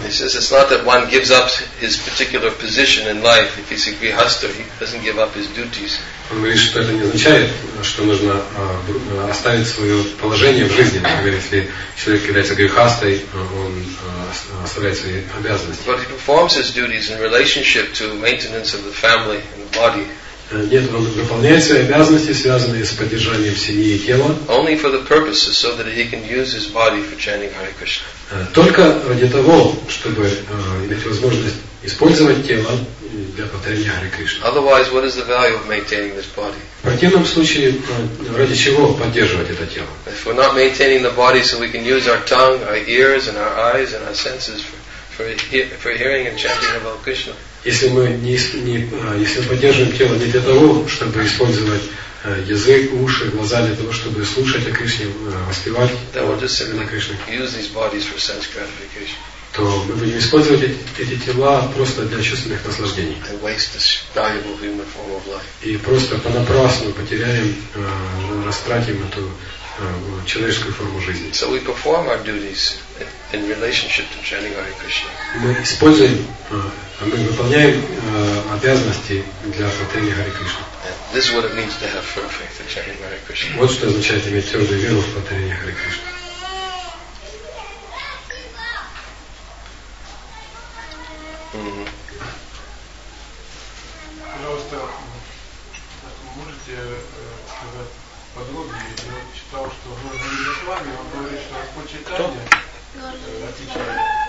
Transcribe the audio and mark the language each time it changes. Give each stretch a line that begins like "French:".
English: He says, it's not that one gives up his particular position in life. If he's a grihastha, he doesn't give up his duties.
Russian: Он говорит, что это не означает, что нужно оставить свое положение в жизни. Например, если человек является грехастой, он оставляет свои обязанности.
English: But he performs his duties in relationship to maintenance of the family and the body.
Russian: Нет, он выполняет свои обязанности, связанные с поддержанием семьи и тела.
English: Only for the purposes so that he can use his body for chanting Hare Krishna.
Russian: Только ради того, чтобы иметь возможность использовать тело для повторения Хари Кришны.
English: Otherwise, what is the value of maintaining this body?
Russian: В противном случае, ради чего поддерживать это тело?
English: If we're not maintaining the body so we can use our tongue, our ears, and our eyes, and our senses for hearing and chanting about Krishna.
Russian: Если мы не поддерживаем тело не для того, чтобы использовать язык, уши, глаза, для того, чтобы слушать о Кришне, воспевать о Кришне, то мы будем использовать эти тела просто для чувственных наслаждений.
English: To waste this valuable human form of life.
Russian: И просто понапрасну потеряем, растратим эту человеческую форму жизни.
English: So we perform our duties in relationship to chanting Hare Krishna.
Russian: Мы используем, мы выполняем обязанности для повторения Хари Кришны.
English: This is what it means to have firm faith in chanting Hare Krishna.
Russian: Вот что означает иметь твердую веру в повторении Хари Кришны. Пожалуйста, можете сказать подробнее, я читал, что Лорд Вишвами, он говорит, что Господь Чайтанья отвечает.